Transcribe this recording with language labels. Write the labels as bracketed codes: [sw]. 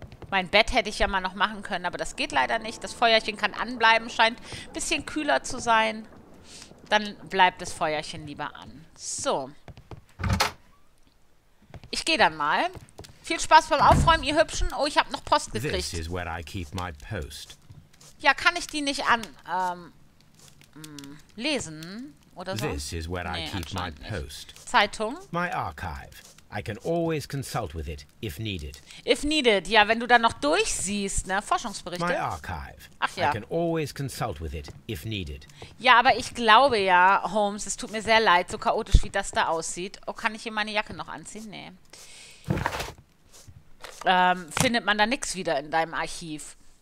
[de] Mein Bett hätte ich ja mal noch machen können, aber das geht leider nicht. Das Feuerchen kann anbleiben, scheint ein bisschen kühler zu sein. Dann bleibt das Feuerchen lieber an. So. Ich gehe dann mal. Viel Spaß beim Aufräumen, ihr Hübschen. Oh, ich habe noch Post gekriegt. [en] This is where I keep my post. [de] Ja, kann ich die nicht an lesen oder so? [en] This is where I keep my post. [de] Zeitung? [en] My archive. I can always consult with it if needed. If needed. [de] Ja, wenn du da noch durchsiehst, ne, Forschungsberichte. [en] My archive. [de] Ach ja. [en] I can always consult with it if needed. [de] Ja, aber ich glaube ja, Holmes, es tut mir sehr leid, so chaotisch wie das da aussieht. Oh, kann ich hier meine Jacke noch anziehen? Nee. Findet man da nichts wieder in deinem Archiv?